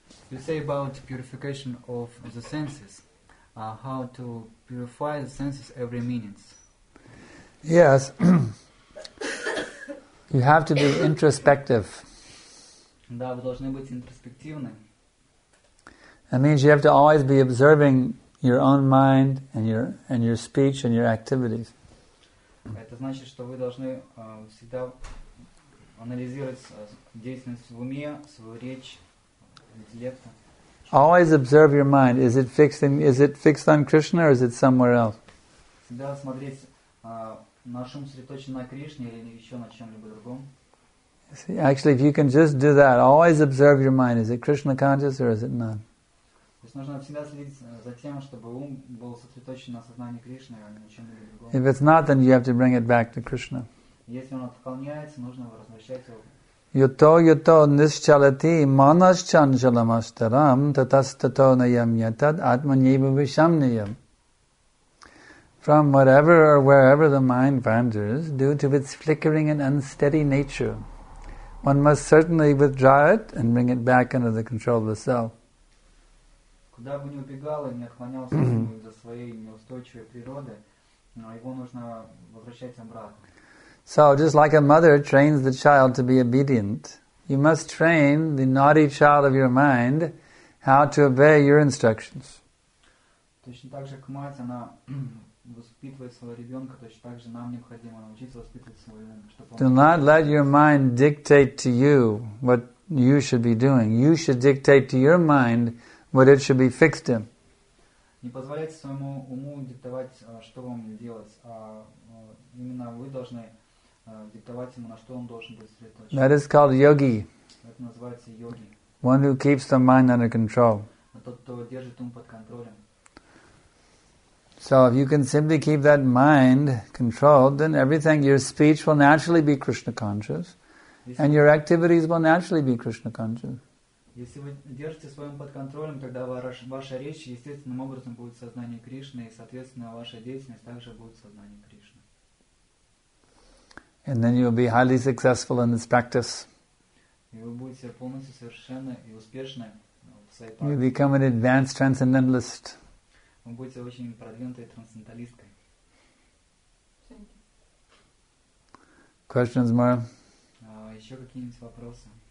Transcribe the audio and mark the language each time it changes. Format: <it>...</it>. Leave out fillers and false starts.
<en>You say about purification of the senses. How to purify the senses every minute. Yes. You have to be introspective.</en> <ru>Да, вы должны быть интроспективны.</ru> <en>That means you have to always be observing your own mind and your speech and your activities.</en> <ru>Это значит, что вы должны всегда анализировать деятельность в уме, свою речь, интеллекта.</ru> <en>Always observe your mind. Is it fixed on Krishna or is it somewhere else?</en> <ru>Всегда смотреть на ум сосредоточен на Кришне или еще на чем-либо другом.</ru> <en>See, actually, if you can just do that, always observe your mind. Is it Krishna conscious or is it not?</en> <ru>То есть нужно всегда следить за тем, чтобы ум был сосредоточен на сознании Кришны, а не на чем-либо другом.</ru> <en>If it's not, then you have to bring it back to Krishna.</en> <ru>Если он отклоняется, нужно возвращать его.</ru> <sa>Yuto yuto nischalati manas chanjalamastaram tatastato nayam yatad atmanyeva vishamnayam.</sa> <en>From whatever or wherever the mind wanders, due to its flickering and unsteady nature, one must certainly withdraw it and bring it back under the control of the self.</en> <ru>Куда бы ни убегал и не отклонялся за своей неустойчивой природы, но его нужно возвращать обратно.</ru> <en>So, just like a mother trains the child to be obedient, you must train the naughty child of your mind how to obey your instructions.</en> <ru>Точно так же, как мать, она воспитывать своего ребенка, точно так же нам необходимо научиться воспитывать своего ребенка.</ru> <en>Do not let your mind dictate to you what you should be doing. You should dictate to your mind what it should be fixed in.</en> <ru>Не позволяйте своему уму диктовать, что вам делать, а именно вы должны диктовать ему, на что он должен быть сосредоточен.</ru> <en>That is called yogi.</en> <ru>Это называется йоги.</ru> <en>One who keeps the mind under control.</en> <ru>Тот, кто держит ум под контролем.</ru> <en>So if you can simply keep that mind controlled, then everything, your speech will naturally be Krishna conscious, and your activities will naturally be Krishna conscious.</en> <ru>Если вы держите свой ум под контролем, тогда ваша речь естественным образом будет в сознании Кришны, и соответственно ваша деятельность также будет в сознании Кришны.</ru> <en>And then you will be highly successful in this practice.</en> <ru>И вы будете полностью совершенны и успешны в своей практике.</ru> <en>You become an advanced transcendentalist.</en> <ru>Вы будете очень продвинутой трансценденталисткой.</ru> <en>Questions more?</en> <ru>Еще какие-нибудь вопросы?</ru>